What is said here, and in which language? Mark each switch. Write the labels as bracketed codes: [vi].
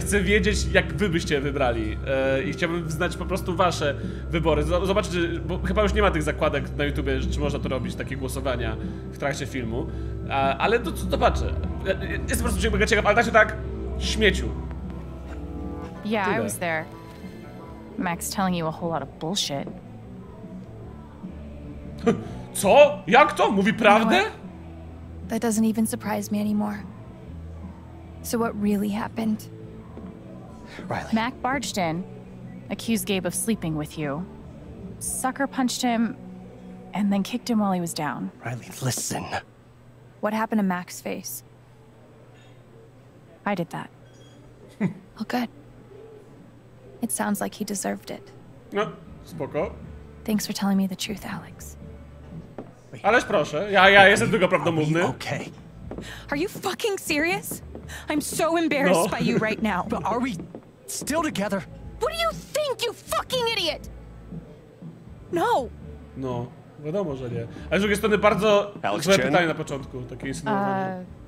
[pl] Chcę wiedzieć, jak wy byście wybrali i chciałbym znać po prostu wasze wybory. Zobaczyć, bo chyba już nie ma tych zakładek na YouTubie, czy można to robić, takie głosowania w trakcie filmu. Ale to zobaczę. Jestem po prostu mega ciekaw, ale tak się tak śmieciu. [en] Yeah, I was there. Max telling you a whole lot of bullshit. [pl] Co? Jak to? Mówi prawdę? [en] You know, that doesn't even surprise me anymore. So what really happened? Riley. Mac barged in, accused Gabe of sleeping with you, sucker punched him, and then kicked him while he was down. Riley, listen. What happened to Mac's face? I did that. Well, good. It sounds like he deserved it. [pl] No, spoko. [en] Thanks for telling me the truth, Alex. [pl] Ależ proszę, ja jestem tylko prawdomówny. [en] Okay. Are you fucking serious? I'm so embarrassed by you right now. But are we still together? What do you think, you fucking idiot? No. [pl] No, wiadomo, że nie. A z drugiej strony bardzo złe pytanie na początku, takie insynuowanie.